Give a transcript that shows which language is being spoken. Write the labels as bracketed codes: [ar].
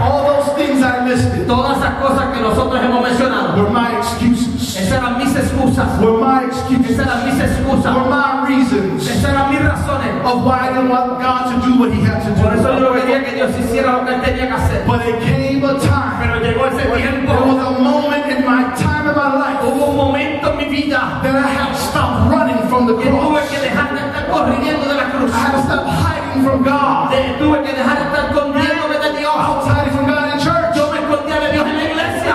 [en] All those things I listed. [es] Todas esas cosas que nosotros hemos mencionado. [en] Were my excuses. [es] Esas eran mis excusas. [en] Were my excuses. [es] Esas eran mis excusas. [en] Were my reasons. [es] Esas eran mis razones. [en] Of why I didn't want God to do what He had to do. [es] Por eso yo no quería que Dios hiciera lo que Él tenía que hacer. [en] But it came a time. [es] Pero llegó ese tiempo. [en] There was a moment in my time of my life. [es] Hubo un momento en mi vida. [en] That I had stopped running from the cross. [es] Tuve que dejar de estar corriendo de la cruz. [en] I had to stop hiding from God. [es] Tuve que dejar de estar escondiéndome de Dios. [en] I was hiding from God in church. [es] Yo me escondía de Dios en la iglesia.